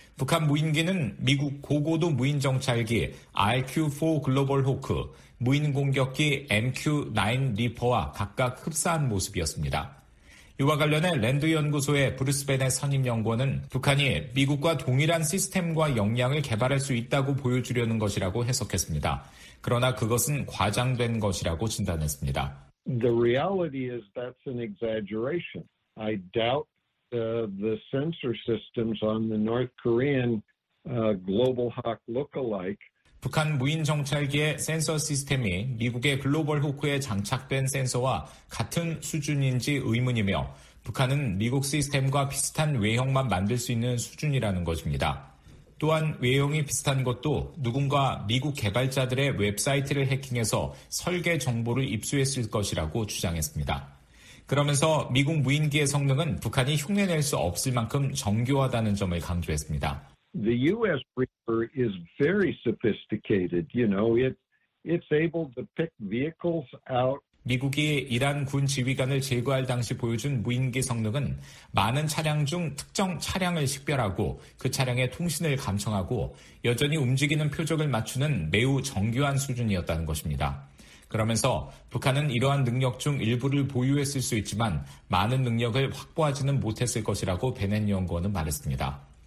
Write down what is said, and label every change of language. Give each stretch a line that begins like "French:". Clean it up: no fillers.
Korean: 북한 무인기는 미국 고고도 무인 정찰기 RQ-4 글로벌 호크, 무인 공격기 MQ-9 리퍼와 각각 흡사한 모습이었습니다. 이와 관련해 랜드연구소의 브루스벤의 선임연구원은 북한이 미국과 동일한 시스템과 역량을 개발할 수 있다고 보여주려는 것이라고 해석했습니다. 그러나 그것은 과장된 것이라고 진단했습니다.
English: The reality is that's an exaggeration. I doubt the sensor systems on the North Korean Global Hawk look-alike.
Korean: 북한 무인 정찰기의 센서 시스템이 미국의 글로벌 호크에 장착된 센서와 같은 수준인지 의문이며 북한은 미국 시스템과 비슷한 외형만 만들 수 있는 수준이라는 것입니다. 또한 외형이 비슷한 것도 누군가 미국 개발자들의 웹사이트를 해킹해서 설계 정보를 입수했을 것이라고 주장했습니다. 그러면서 미국 무인기의 성능은 북한이 흉내낼 수 없을 만큼 정교하다는 점을 강조했습니다.
English: The U.S. Reaper is very sophisticated. You know, it's able to pick vehicles out.
Korean: 미국이 이란 군 지휘관을 제거할 당시 보여준 무인기 성능은 많은 차량 중 특정 차량을 식별하고 그 차량의 통신을 감청하고 여전히 움직이는 표적을 맞추는 매우 정교한 수준이었다는 것입니다. 그러면서 북한은 이러한 능력 중 일부를 보유했을 수 있지만 많은 능력을 확보하지는 못했을 것이라고 베넨 연구원은 말했습니다.